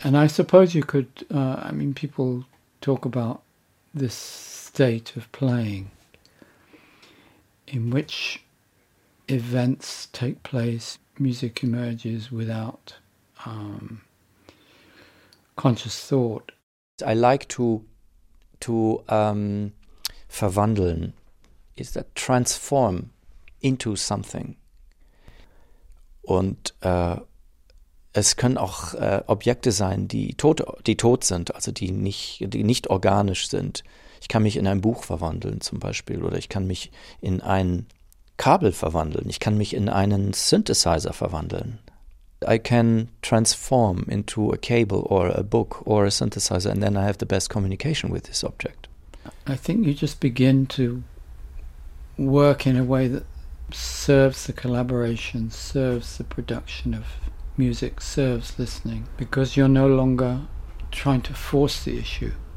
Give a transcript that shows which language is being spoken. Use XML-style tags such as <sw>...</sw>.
<en>And I suppose you could, I mean, people talk about this state of playing in which events take place, music emerges without conscious thought. I like to</en> <de>verwandeln,</de> <en>is that transform into something.</en> <de>Und es können auch Objekte sein, die tot sind, also die nicht organisch sind. Ich kann mich in ein Buch verwandeln zum Beispiel oder ich kann mich in ein Kabel verwandeln. Ich kann mich in einen Synthesizer verwandeln.</de> <en>I can transform into a cable or a book or a synthesizer and then I have the best communication with this object. I think you just begin to work in a way that serves the collaboration, serves the production of music, serves listening, because you're no longer trying to force the issue.</en>